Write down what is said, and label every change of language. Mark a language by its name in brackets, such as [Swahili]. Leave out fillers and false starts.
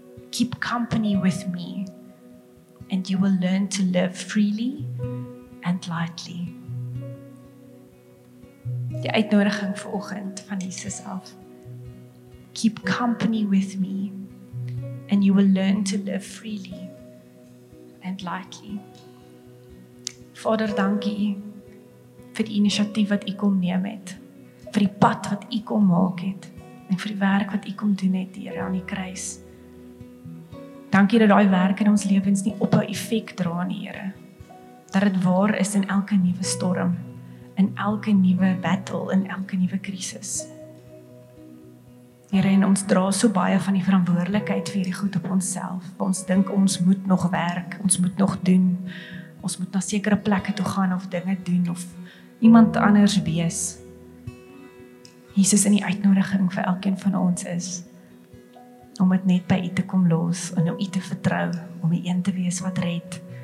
[English] Keep company with me, and you will learn to live freely and lightly. [Afrikaans] Die uitnodiging vir oggend van Jesus af. [English] Keep company with me, and you will learn to live freely and lightly. [Afrikaans] Vader, dankie vir die initiatief wat u kom neem het, vir die pad wat u kom maak het, en vir die werk wat u kom doen het, hier aan die kruis. Dankie dat die werk in ons lewens nie op 'n effek dra nie, Here. Dat het waar is in elke nuwe storm, in elke nuwe battle, in elke nuwe krisis. Here, en ons dra so baie van die verantwoordelikheid vir die goed op onsself. Ons dink ons moet nog werk, ons moet nog doen, ons moet na sekere plekke toe gaan of dinge doen of iemand anders wees. Jesus, in die uitnodiging vir elkeen van ons is om het net by u te kom los en om u te vertrou, om die een te wees wat red.